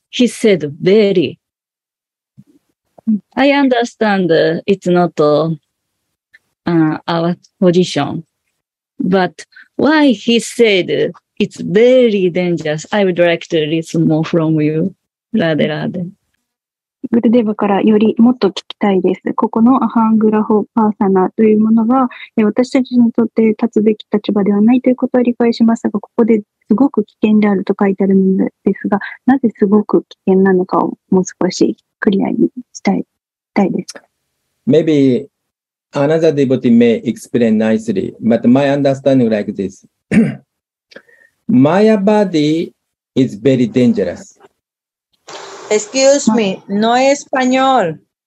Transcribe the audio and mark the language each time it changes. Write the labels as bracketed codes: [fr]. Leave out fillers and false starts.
[en] He said very. I understand it's not our position, but why he said it's very dangerous? I would like to listen more from you, Radhe Radhe. [ja] グルデヴァからよりもっと聞きたいです。ここのアハングラホパーサナというものは、私たちにとって立つべき立場ではないということは理解しましたが、ここですごく危険であると書いてあるのですが、なぜすごく危険なのかをもう少しクリアにしたいですか。 [en] Maybe another devotee may explain nicely, but my understanding like this. Maya body is very dangerous. Excuse me, no español.